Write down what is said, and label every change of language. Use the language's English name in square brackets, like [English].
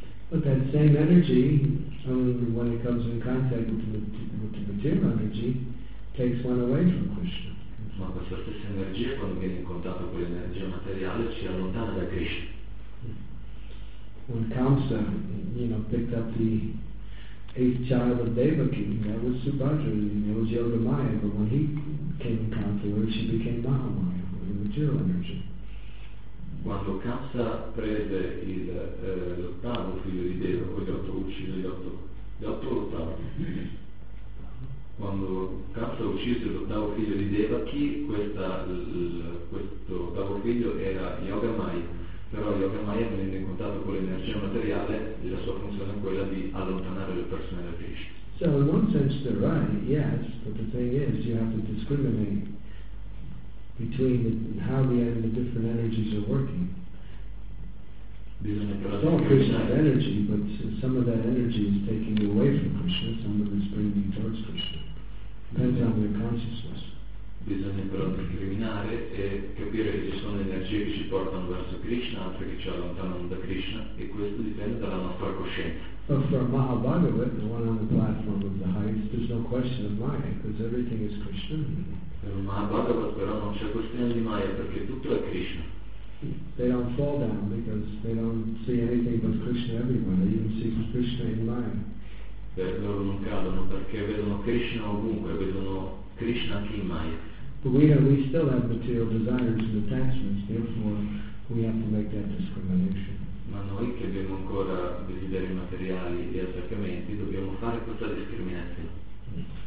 [English] But that same energy, when it comes in contact with the material energy, takes one away from Krishna. [Italian] Ma questa stessa energia, quando viene in contatto con l'energia materiale, ci allontana da Krishna. [English] When Kamsa, picked up the eighth child of Devaki, that was Subhadra, and it was Yoga Maya, but when he came in contact with her, she became Mahamaya, the material energy. [Italian] Quando Kamsa prese l'ottavo figlio di Deva, poi gli otto ottavo. Quando Kamsa uccise l'ottavo figlio di Devaki, questo ottavo figlio era Yoga Maya, però Yoga Maya, venendo in contatto con l'energia materiale, la sua funzione è quella di allontanare le persone da Krishna. [English] So in one sense they're right, yes, but the thing is you have to discriminate between how the different energies are working. It's all Krishna's energy, but some of that energy is taking you away from Krishna, some of it is bringing you towards Krishna. Depends on your consciousness. [Italian] Bisogna però discriminare e capire che ci sono energie che ci portano verso Krishna, altre che ci allontanano da Krishna, e questo dipende dalla nostra coscienza. [English] But for Mahabharata, the one on the platform of the highest, there's no question of Maya, because everything is Krishna. [Italian] Per Mahabharata però non c'è questione di Maya, perché tutto è Krishna. [English] They don't fall down because they don't see anything but Krishna everywhere. They even see Krishna in Maya. [Italian] Loro non cadono perché vedono Krishna ovunque, vedono Krishna anche in Maya. [English] But we still have material desires and attachments, therefore we have to make that discrimination. [Italian] Ma noi che abbiamo ancora desideri materiali e attaccamenti, dobbiamo fare questa discriminazione.